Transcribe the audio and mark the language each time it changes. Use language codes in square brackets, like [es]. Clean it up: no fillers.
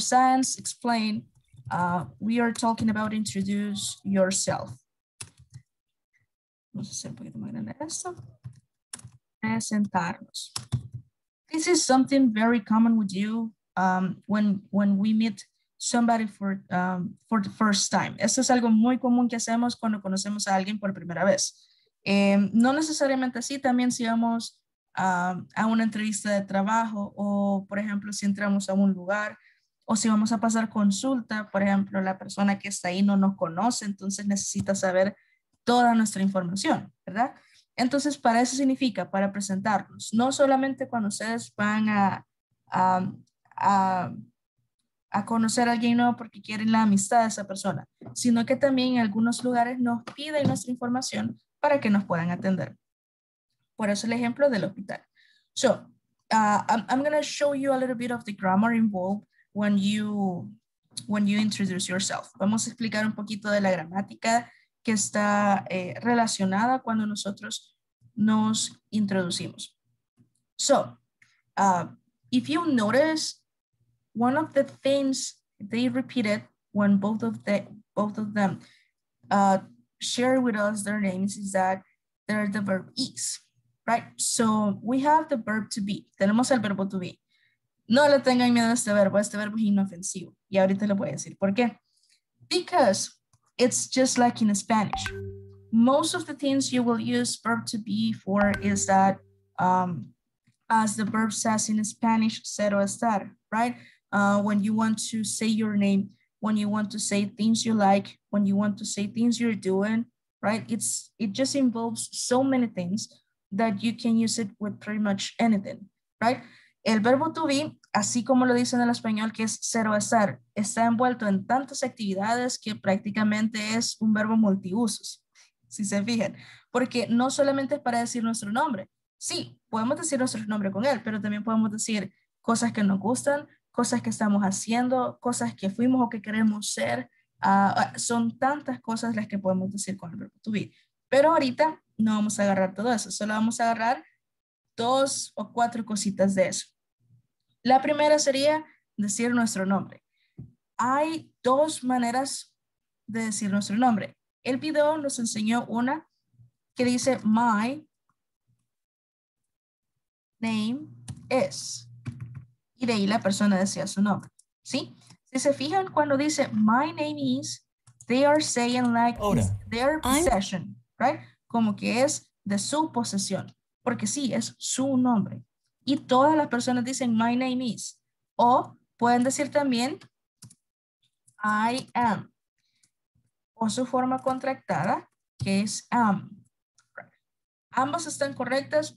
[en] Science explained, we are talking about introduce yourself. [es] Vamos a hacer un poquito más grande esto. Presentarnos. [en] This is something very common with you when we meet somebody for the first time. [es] Esto es algo muy común que hacemos cuando conocemos a alguien por primera vez. No necesariamente así, también si vamos a una entrevista de trabajo o, por ejemplo, si entramos a un lugar. O si vamos a pasar consulta, por ejemplo, la persona que está ahí no nos conoce, entonces necesita saber toda nuestra información, ¿verdad? Entonces, para eso significa, para presentarnos, no solamente cuando ustedes van a conocer a alguien nuevo porque quieren la amistad de esa persona, sino que también en algunos lugares nos piden nuestra información para que nos puedan atender. Por eso el ejemplo del hospital. [en] So, I'm going to show you a little bit of the grammar involved when you introduce yourself. [es] Vamos a explicar un poquito de la gramática que está relacionada cuando nosotros nos introducimos. [en] So, if you notice, one of the things they repeated when both of them share with us their names is that they're the verb is, right? So we have the verb to be. [es] Tenemos el verbo to be. No le tengan miedo a este verbo es inofensivo. Y ahorita le voy a decir, ¿por qué? [en] Because it's just like in Spanish. Most of the things you will use verb to be for is that, as the verb says in Spanish, [es] ser o estar, [en] right? When you want to say your name, when you want to say things you like, when you want to say things you're doing, right? It just involves so many things that you can use it with pretty much anything, right? [es] El verbo to be, así como lo dicen en español, que es ser o estar, está envuelto en tantas actividades que prácticamente es un verbo multiusos, si se fijan. Porque no solamente es para decir nuestro nombre. Sí, podemos decir nuestro nombre con él, pero también podemos decir cosas que nos gustan, cosas que estamos haciendo, cosas que fuimos o que queremos ser. Son tantas cosas las que podemos decir con el verbo to be. Pero ahorita no vamos a agarrar todo eso, solo vamos a agarrar dos o cuatro cositas de eso. La primera sería decir nuestro nombre. Hay dos maneras de decir nuestro nombre. El video nos enseñó una que dice [en] my name is. [es] Y de ahí la persona decía su nombre. ¿Sí? Si se fijan cuando dice [en] my name is, they are saying like it's their possession. Right? [es] Como que es de su posesión. Porque sí, es su nombre. Y todas las personas dicen [en] my name is. [es] O pueden decir también [en] I am. [es] O su forma contractada, que es am. [en] Right. [es] Ambas están correctas.